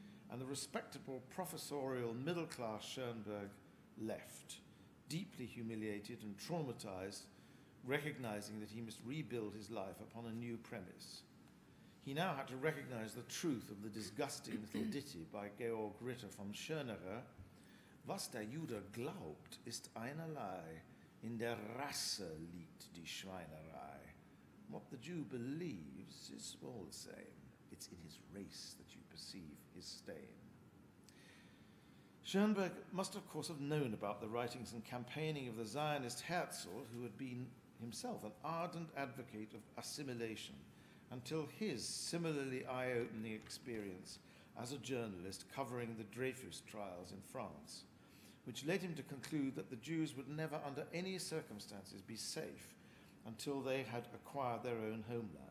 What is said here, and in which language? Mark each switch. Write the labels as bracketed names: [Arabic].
[English] And the respectable, professorial, middle-class Schoenberg left, deeply humiliated and traumatized, recognizing that he must rebuild his life upon a new premise. He now had to recognize the truth of the disgusting little ditty by Georg Ritter von Schönerer. [German] Was der Jude glaubt, ist einerlei, in der Rasse liegt die Schweinerei. [English] What the Jew believes is all the same. It's in his race that you perceive his stain. Schoenberg must, of course, have known about the writings and campaigning of the Zionist Herzl, who had been himself an ardent advocate of assimilation, until his similarly eye-opening experience as a journalist covering the Dreyfus trials in France, which led him to conclude that the Jews would never under any circumstances be safe until they had acquired their own homeland.